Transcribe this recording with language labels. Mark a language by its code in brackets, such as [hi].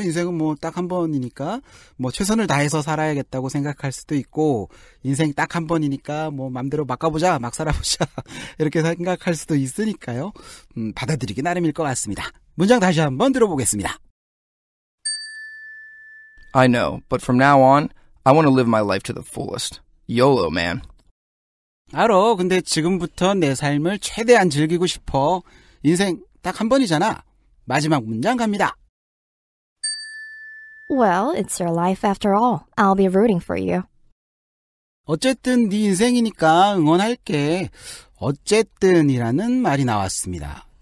[ko] 인생은 뭐 딱 한 번이니까 뭐 최선을 다해서 살아야겠다고 생각할 수도 있고 인생 딱 한 번이니까 뭐 마음대로 막 가보자, 막 살아보자 이렇게 생각할 수도 있으니까요. 받아들이기 나름일 것 같습니다. 문장 다시 한번 들어보겠습니다. [en] I know, but from now on, I want to live my life to the fullest. YOLO, man. [ko] 알어, 근데 지금부터 내 삶을 최대한 즐기고 싶어. 인생 딱 한 번이잖아. 마지막 문장 갑니다. [en] Well, it's your life after all. I'll be rooting for you. [ko] 어쨌든 네 인생이니까 응원할게. 어쨌든이라는 말이 나왔습니다.